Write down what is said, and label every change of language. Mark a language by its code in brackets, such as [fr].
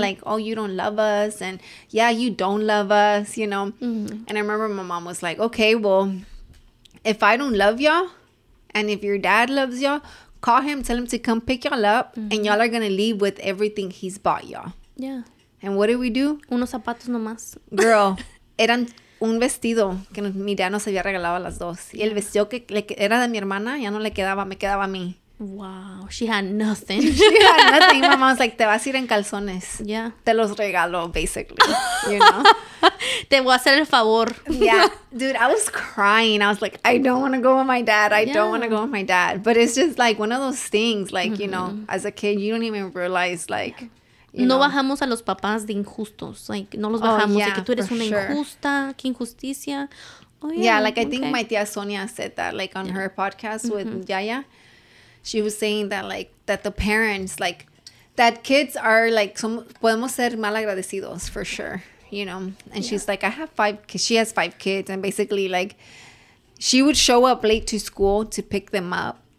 [en] like, oh, you don't love us, and yeah, you don't love us, you know. Mm-hmm. And I remember my mom was like, okay, well, if I don't love y'all, and if your dad loves y'all, call him, tell him to come pick y'all up, mm-hmm. and y'all are gonna leave with everything he's bought y'all. Yeah. And what did we do? [es] Unos zapatos nomás. [en] Girl, [es] eran un vestido que mi dad nos había regalado a las dos. Y el vestido que era de mi hermana, ya no le quedaba, me quedaba a mí. [en] Wow, she had nothing. My mom's like, [es] te vas a ir en calzones. [en] Yeah. [es] Te los regalo, [en] basically. You know? [es] Te voy a hacer el favor. [en] Yeah. Dude, I was crying. I was like, I don't want to go with my dad. I don't want to go with my dad. But it's just like one of those things, like, mm-hmm. you know, as a kid, you don't even realize, like, yeah. You know? [es] No bajamos a los papás de injustos. Like, no los bajamos. [en] Oh, yeah, like, [es] tú eres una injusta. [en] Sure. [es] Qué injusticia. [en] Oh, yeah. Yeah, like, I think my tía Sonia said that, like, on her podcast with Yaya. She was saying that, like, that the parents, like, that kids are, like, [es] podemos ser malagradecidos, [en] for sure, you know? And she's like, I have five, because she has five kids. And basically, like, she would show up late to school to pick them up.